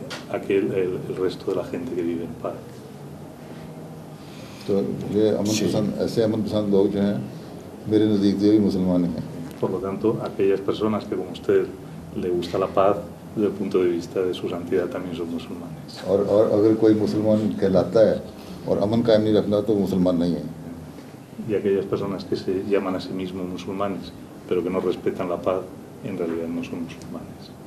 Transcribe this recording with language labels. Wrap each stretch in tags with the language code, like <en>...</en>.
<es>aquel el resto de la gente que vive en paz.</es> <hi>तो ये अमन पसंद ऐसे अमन पसंद लोग जो हैं मेरे नजदीक जो भी मुसलमान हैं</hi> <es>por lo tanto aquellas personas que como usted le gusta la paz desde el punto de vista de su santidad también son musulmanes</es> <hi>और अगर कोई मुसलमान कहलाता है और अमन कायम नहीं रखना तो मुसलमान नहीं है</hi> <es>y aquellas personas que se llaman a sí mismos musulmanes pero que no respetan la paz en realidad no son musulmanes</es>